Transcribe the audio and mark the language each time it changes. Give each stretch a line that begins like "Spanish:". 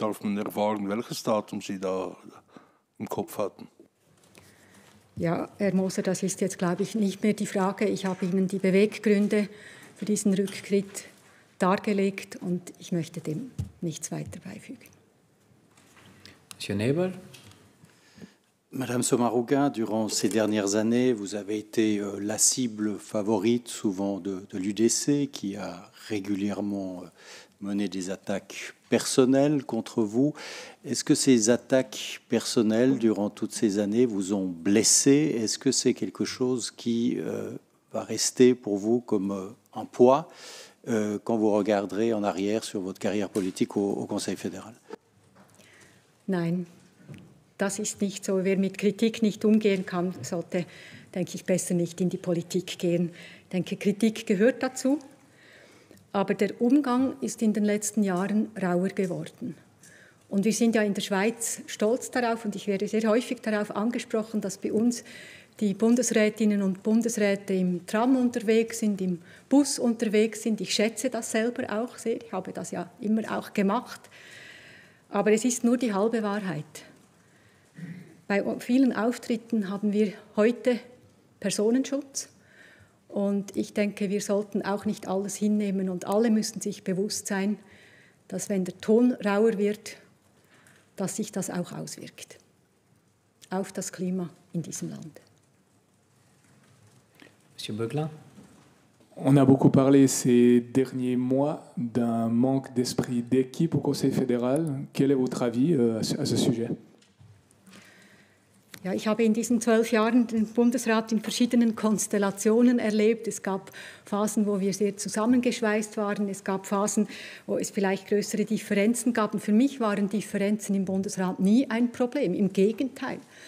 German: Darf man erfahren, welches Datum Sie da im Kopf hatten? Ja, Herr Moser, das ist jetzt, glaube ich, nicht mehr die Frage. Ich habe Ihnen die Beweggründe für diesen Rücktritt dargelegt und ich möchte dem nichts weiter beifügen.
French: Monsieur Nebel. Madame Sommaruga, durant ces dernières années, vous avez été la cible favorite souvent de l'UDC, qui a régulièrement mené des attaques personnelles contre vous. Est-ce que ces attaques personnelles, durant toutes ces années, vous ont blessé? Est-ce que c'est quelque chose qui va rester pour vous comme un poids quand vous regarderez en arrière sur votre carrière politique au Conseil fédéral?
German: Nein. Das ist nicht so. Wer mit Kritik nicht umgehen kann, sollte, denke ich, besser nicht in die Politik gehen. Ich denke, Kritik gehört dazu. Aber der Umgang ist in den letzten Jahren rauer geworden. Und wir sind ja in der Schweiz stolz darauf, und ich werde sehr häufig darauf angesprochen, dass bei uns die Bundesrätinnen und Bundesräte im Tram unterwegs sind, im Bus unterwegs sind. Ich schätze das selber auch sehr. Ich habe das ja immer auch gemacht. Aber es ist nur die halbe Wahrheit. Bei vielen Auftritten haben wir heute Personenschutz und ich denke, wir sollten auch nicht alles hinnehmen und alle müssen sich bewusst sein, dass wenn der Ton rauer wird, dass sich das auch auswirkt auf das Klima in diesem Land.
French: Monsieur Beuglin. On a beaucoup parlé ces derniers mois d'un manque d'esprit d'équipe au Conseil fédéral. Quel est votre avis à ce sujet?
German: Ja, ich habe in diesen 12 Jahren den Bundesrat in verschiedenen Konstellationen erlebt. Es gab Phasen, wo wir sehr zusammengeschweißt waren. Es gab Phasen, wo es vielleicht größere Differenzen gab. Und für mich waren Differenzen im Bundesrat nie ein Problem. Im Gegenteil.